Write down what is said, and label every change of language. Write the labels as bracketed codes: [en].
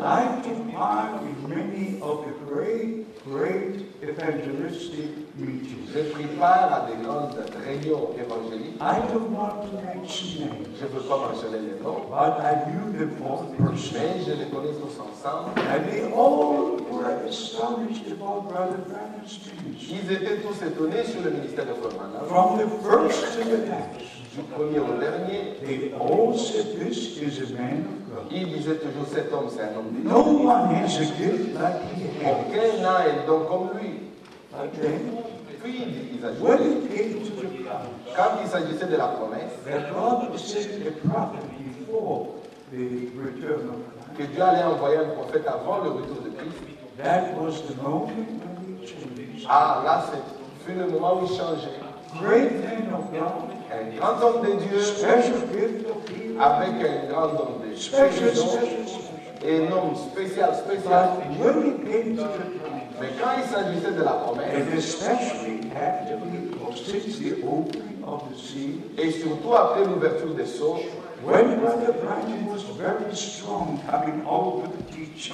[en] I've been part in many of the great, great evangelistic meetings. [fr] Je prie pas à des grandes réunions évangéliques. [en] I don't want to mention names. [fr] Je veux pas mentionner les noms. [en] But I knew them for the person. [fr] Mais je les connais tous ensemble. [en] And they all were astonished about Brother Branham's ministry. [fr] Ils étaient tous étonnés sur le ministère de Brother Branham. [en] From the first to the last. [fr] Du premier au dernier. [en] They all said, "This is a man of God." [fr] Ils disaient toujours, cet homme, c'est un homme de Dieu. [en] No one has a gift like he has. [fr] Aucun n'a un don comme lui. [en] Then, when it came to the promise, [fr] quand il s'agissait de la promesse, [en] the Lord sent a prophet before the return of Christ. [fr] Que Dieu allait envoyer un prophète avant le retour de Christ. [en] That was the moment when he changed. [fr] Ah, là, c'est le moment où il changeait. [en] Great man of God, [fr] un grand homme de Dieu, [en] special gift of [fr] avec un grand homme de Dieu, [en] special. [fr] Et non, spécial. [en] But when it came to the promise, [fr] mais quand il s'agissait de la promesse, et surtout après l'ouverture des seaux, [en] when Brother Branham was very strong, coming over to teach,